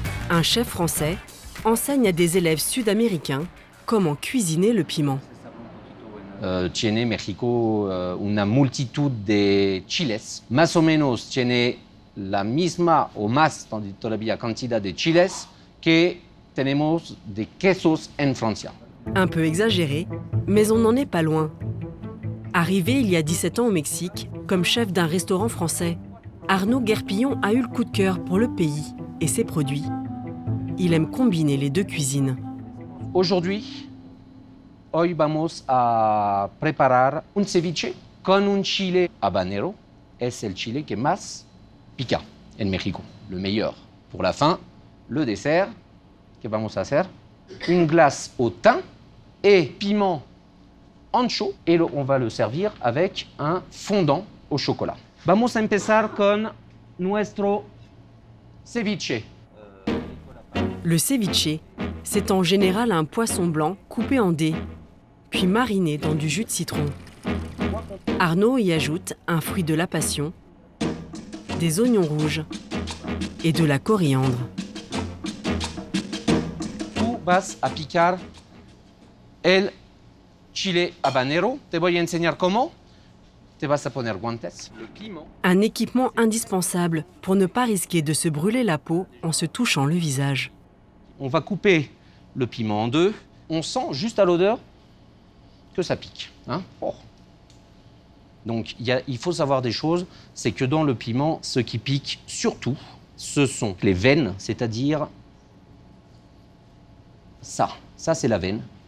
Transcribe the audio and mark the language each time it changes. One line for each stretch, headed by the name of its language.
French: un chef français enseigne à des élèves sud-américains comment cuisiner le piment.
Spanish: Tiene México una multitud de chiles. Más o menos tiene la misma o más todavía cantidad de chiles que tenemos de quesos en Francia.
French: Un peu exagéré, mais on n'en est pas loin. Arrivé il y a 17 ans au Mexique, comme chef d'un restaurant français, Arnaud Guerpillon a eu le coup de cœur pour le pays et ses produits. Il aime combiner les deux cuisines. Aujourd'hui,
Spanish: hoy vamos a preparar un ceviche con un chile habanero. Es el chile que más pica en México.
French: Le meilleur. Pour la fin, le dessert que
Spanish: vamos a hacer.
French: Une glace au thym et piment ancho. Et on va le servir avec un fondant au chocolat.
Spanish: Vamos a empezar con nuestro ceviche.
French: Le ceviche, c'est en général un poisson blanc coupé en dés, puis mariné dans du jus de citron. Arnaud y ajoute un fruit de la passion, des oignons rouges et de la coriandre.
Spanish: Tu vas a picar el chile habanero. Te voy a enseñar cómo. Te vas a poner guantes.
French: Un équipement indispensable pour ne pas risquer de se brûler la peau en se touchant le visage. On va couper le piment en deux. On sent juste à l'odeur que ça pique. Hein? Oh. Donc, il faut savoir des choses. C'est que dans le piment, ce qui pique surtout, ce sont les veines, c'est-à-dire ça. Ça, c'est la veine.